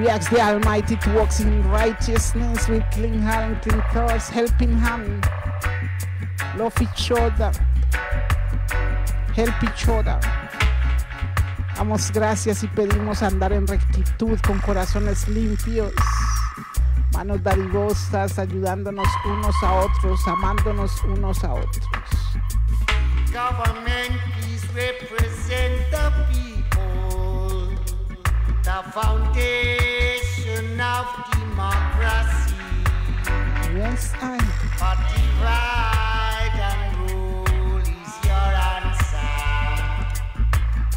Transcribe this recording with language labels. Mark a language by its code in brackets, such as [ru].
[en] The Almighty to walk in righteousness with clean hands and clean thoughts, helping hand, love each other, help each other. [es] Damos gracias y pedimos andar en rectitud con corazones limpios, manos dadivosas, ayudándonos unos a otros, amándonos unos a otros. [en] Government, please represent the people, the foundation of democracy. Yes, I. But divide and rule is your answer.